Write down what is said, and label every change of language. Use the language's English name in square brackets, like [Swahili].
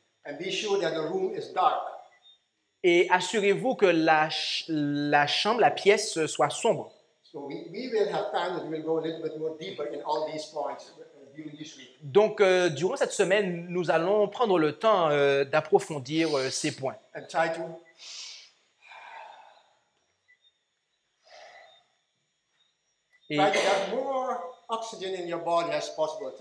[English] And be sure that the room is dark. [French] Et assurez-vous que la chambre, la pièce soit sombre. [English] So we will have time that we will go a little bit more deeper in all these points during this week. [French] Donc durant cette semaine, nous allons prendre le temps d'approfondir ces points. [English] And try to try to have more oxygen in your body as possible.